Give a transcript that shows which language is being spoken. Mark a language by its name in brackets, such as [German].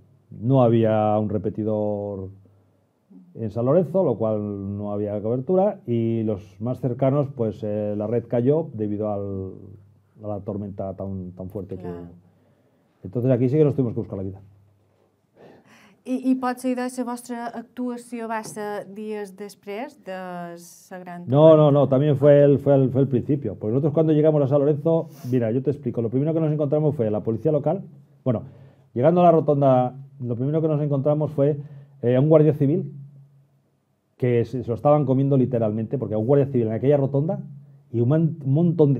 [Spanish] No había un repetidor en San Lorenzo, lo cual no había cobertura, y los más cercanos, pues la red cayó debido a la tormenta tan fuerte. Claro. Entonces aquí sí que nos tuvimos que buscar la vida. [Catalan] I pot ser que la vostra actuació va ser dies després de la gran... [Spanish] No, también fue el principio. Porque nosotros cuando llegamos a San Lorenzo, mira, yo te explico, lo primero que nos encontramos fue la policía local. Bueno, llegando a la rotonda, lo primero que nos encontramos fue a un guardia civil que se lo estaban comiendo literalmente, porque un guardia civil en aquella rotonda y un montón de...